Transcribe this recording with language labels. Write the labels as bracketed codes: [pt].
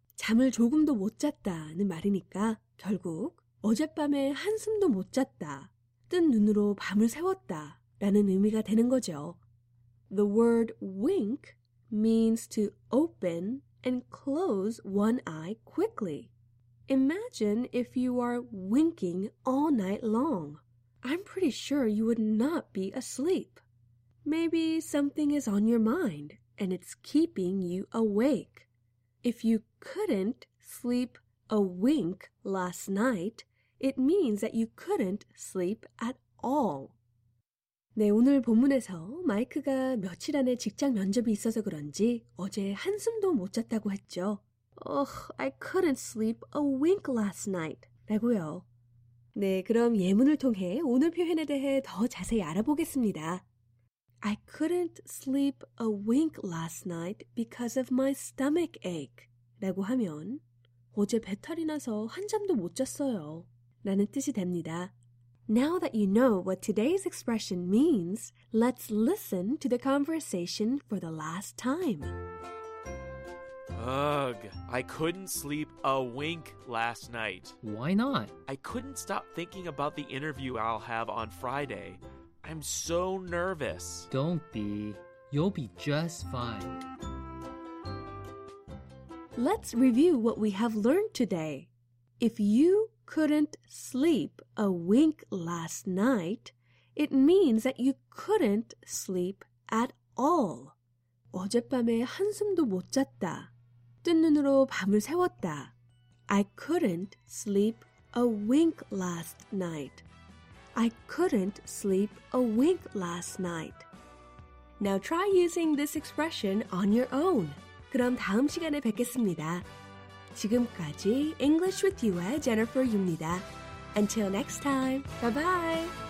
[ko] 잠을 조금도 못 잤다는 말이니까 결국 어젯밤에 한숨도 못 잤다, 뜬 눈으로 밤을 새웠다 라는 의미가 되는 거죠. [en] The word wink means to open and close one eye quickly. Imagine if you are winking all night long. I'm pretty sure you would not be asleep. Maybe something is on your mind and it's keeping you awake. If you couldn't sleep a wink last night, it means that you couldn't sleep at all. [ko] 네, 오늘 본문에서 마이크가 며칠 안에 직장 면접이 있어서 그런지 어제 한숨도 못 잤다고 했죠. [en] Ugh, I couldn't sleep a wink last night. [ko] 라고요. 네, 그럼 예문을 통해 오늘 표현에 대해 더 자세히 알아보겠습니다. [en] I couldn't sleep a wink last night because of my stomach ache. [ko] 라고 하면 어제 배탈이 나서 한잠도 못 잤어요. 라는 뜻이 됩니다. [en] Now that you know what today's expression means, let's listen to the conversation for the last time. Ugh, I couldn't sleep a wink last night. Why not? I couldn't stop thinking about the interview I'll have on Friday. I'm so nervous. Don't be. You'll be just fine. Let's review what we have learned today. If you couldn't sleep a wink last night, it means that you couldn't sleep at all. [ko] 어젯밤에 한숨도 못 잤다. 뜬 눈으로 밤을 새웠다. [en] I couldn't sleep a wink last night. I couldn't sleep a wink last night. Now try using this expression on your own. [ko] 그럼 다음 시간에 뵙겠습니다. 지금까지 English with You의 Jennifer입니다. [en] Until next time, bye-bye!